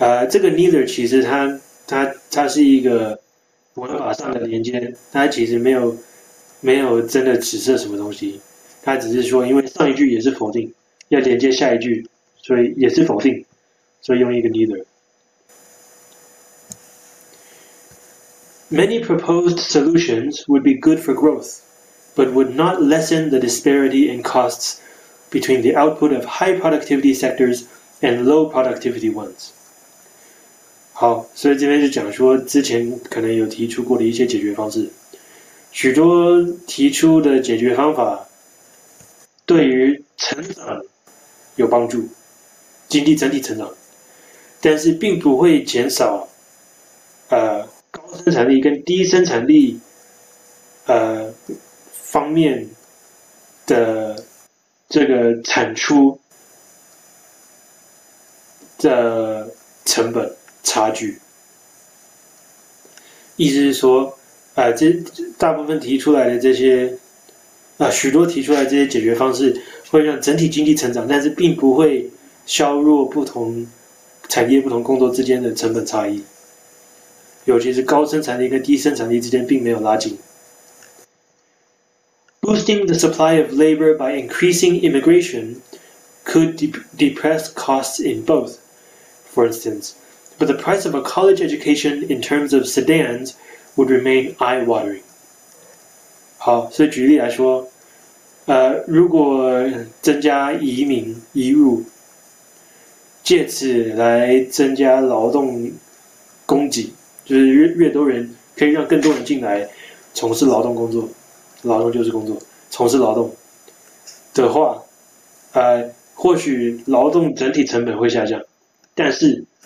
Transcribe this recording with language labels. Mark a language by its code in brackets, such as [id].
[zh] 这个 neither 其实它是一个文法上的连接，它其实没有真的指涉什么东西，它只是说因为上一句也是否定，要连接下一句，所以也是否定，所以用一个 neither。 [en] Many proposed solutions would be good for growth, but would not lessen the disparity in costs between the output of high productivity sectors and low productivity ones. [zh] 好，所以这边就讲说，之前可能有提出过的一些解决方式，许多提出的解决方法对于成长有帮助，经济整体成长，但是并不会减少高生产力跟低生产力方面的这个产出的成本。差距，意思是说，这大部分提出来的这些，许多提出来这些解决方式，会让整体经济成长，但是并不会削弱不同产业、不同工作之间的成本差异，尤其是高生产力跟低生产力之间并没有拉近。 [en] Boosting the supply of labor by increasing immigration could depress costs in both, for instance. But the price of a college education in terms of sedans would remain eye-watering. [zh] 好，所以举例来说，如果增加移民移入，借此来增加劳动供给，就是越多人可以让更多人进来从事劳动工作，劳动就是工作，从事劳动的话，或许劳动整体成本会下降，但是。